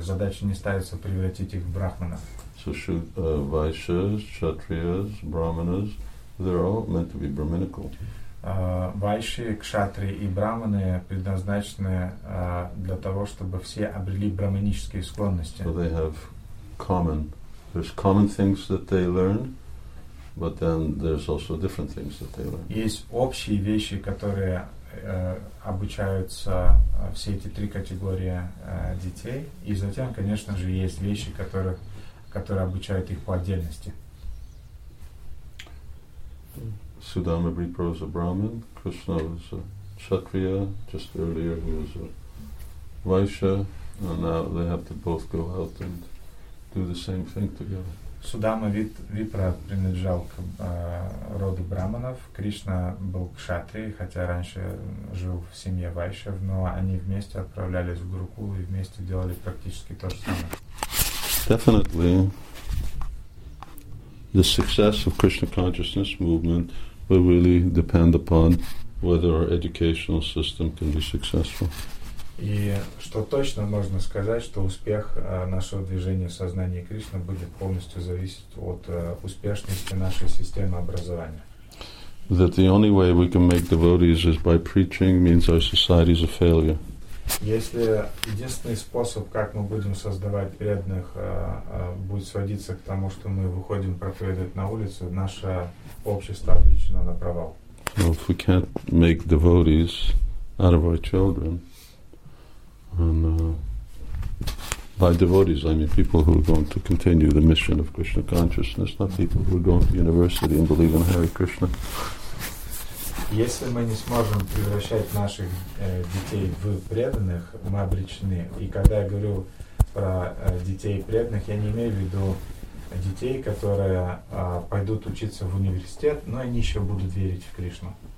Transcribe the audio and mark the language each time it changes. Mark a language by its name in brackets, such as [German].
[Russian] Задача не ставится превратить их в брахманов. [English] So Vaishyas, Kshatriyas, Brahmanas, they're all meant to be brahminical. [Russian] Вайши, кшатри и брахманы предназначены для того, чтобы все обрели брахманические склонности. [English] So they have common. There's common things that they learn, but then there's also different things that they learn. [Russian] Есть общие вещи, которые обучаются все эти три категории детей, и затем, конечно же, есть вещи, которые обучают их по отдельности. [English] Sudama Bhripra was a Brahmin, Krishna was a Kshatriya, just earlier he was a Vaishya, and now they have to both go out and do the same thing together. [Russian] Sudama Bhripra принадлежал к роду Брахманов, Кришна был Кшатри, хотя раньше жил в семье Вайшев, но они вместе отправлялись в Гурукулу и вместе делали практически то же самое. [English] Definitely. The success of Krishna consciousness movement will really depend upon whether our educational system can be successful. [Russian] И что точно можно сказать, что успех нашего движения сознания Кришны будет полностью зависеть от успешности нашей системы образования. [English] That the only way we can make devotees is by preaching means our society is a failure. [Russian] Если единственный способ, как мы будем создавать преданных, будет сводиться к тому, что мы выходим проповедовать на улицу, наше общество обречено на провал. [English] So if we can't make devotees out of our children, and by devotees I mean people who are going to continue the mission of Krishna consciousness, not people who are going to university and believe in Hare Krishna. [Russian] Если мы не сможем превращать наших детей в преданных, мы обречены. И когда я говорю про детей преданных, я не имею в виду детей, которые пойдут учиться в университет, но они еще будут верить в Кришну.